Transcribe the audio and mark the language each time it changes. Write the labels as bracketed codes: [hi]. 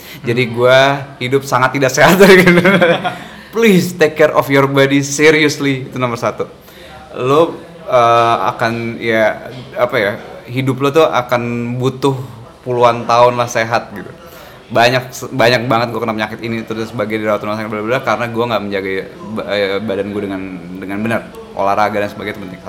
[id] Jadi gue hidup sangat tidak sehat. [en] Please take care of your body seriously. [id] Itu nomor satu. Lu akan ya apa ya, hidup lo tuh akan butuh puluhan tahun lah sehat gitu. Banyak banget gue kena penyakit ini terus sebagai dirawat rumah sakit berbeda karena gue nggak menjaga badan gue dengan benar, olahraga dan sebagainya penting.